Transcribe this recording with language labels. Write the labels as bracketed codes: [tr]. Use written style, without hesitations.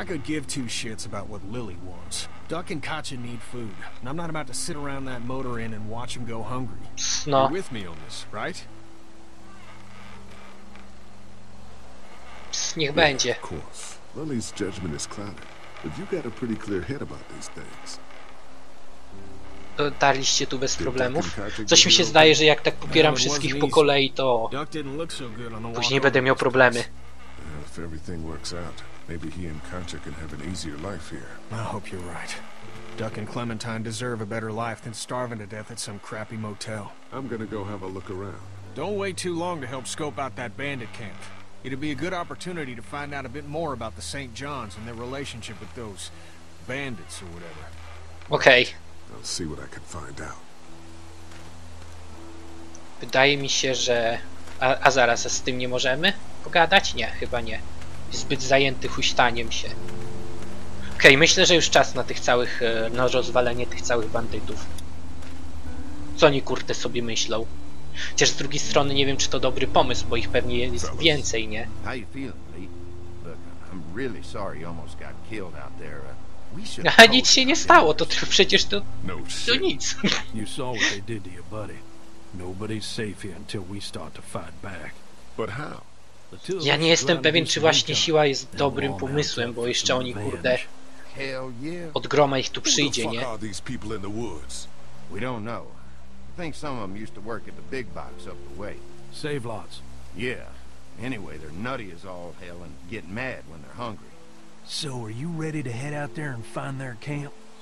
[en] I could give two shits about what Lily wants. Duck and Katja need food, and I'm not about to sit around that motor inn and watch him go hungry. No. You're with me on this, right? [pl] Niech będzie. [en] Yeah, of course. Lily's judgment is clouded, but you got a pretty clear head about these things. [pl] Dotarliście tu bez problemów? Coś mi się zdaje, że jak tak popieram wszystkich po kolei, to później będę miał problemy. [en] If everything works out, maybe he and Katja can have an easier life here. I hope you're right. Duck and Clementine deserve a better life than starving to death at some crappy motel. I'm gonna go have a look around. Don't wait too long to help scope out that bandit camp. It'd be a good opportunity to find out a bit more about the St. Johns and their relationship with those bandits or whatever. Okay. I'll see what I can find out. [pl] Wydaje mi się, że... A zaraz, a z tym nie możemy pogadać? Nie, chyba nie. Zbyt zajęty huśtaniem się. Okej, myślę, że już czas na tych całych... na rozwalenie tych całych bandytów. Co oni kurde sobie myślą? Chociaż z drugiej strony nie wiem, czy to dobry pomysł, bo ich pewnie jest więcej, nie? [en] How you feeling, Lee? Look, I'm really sorry you almost got killed out there. [pl] A nic się nie stało, to przecież to... No, to nic. [en] You saw what they did to your buddy. Nobody's safe here until we start to fight back. But how? [pl] Ja nie jestem pewien, czy właśnie siła jest dobrym pomysłem, bo jeszcze oni, kurde... [en] Hell yeah. [pl] Od groma ich tu przyjdzie, nie? [en] Who the fuck are these people in the woods? We don't know. I think some of them used to work at the big box up the way. Save lots. Yeah. Anyway, they're nutty as all hell and get mad when they're hungry. So, are you ready to head out there and find their camp?